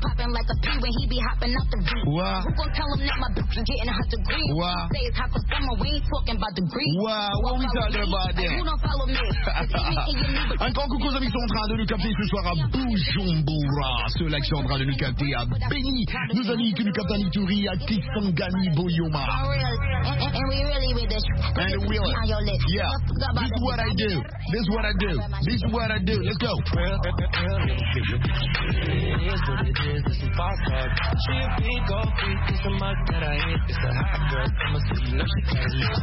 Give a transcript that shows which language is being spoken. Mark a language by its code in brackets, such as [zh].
[en] Popping like a P when he be hopping out the V. Wow. Who gon' tell him that my bitch is getting a hot degree? Wow. Say it's hot for summer, we ain't talking about degree. Wow, what we talking about then? Who don't follow me? [fr] Un grand coucou aux amis qui sont en train de nous capter ce soir à Bujumbura, ceux-là qui sont en train de nous capter à Béni, nos amis qui nous captent à Nitouri, à Kisangani, Boyoma. [en] And we really with this. And we really. Yeah. This is what I do. This is what I do. This is what I do. Let's go. It is what it is. It's a boss dog. She a big old freak, it's a must that I hit. It's a hot girl summer, so you know she got it lit.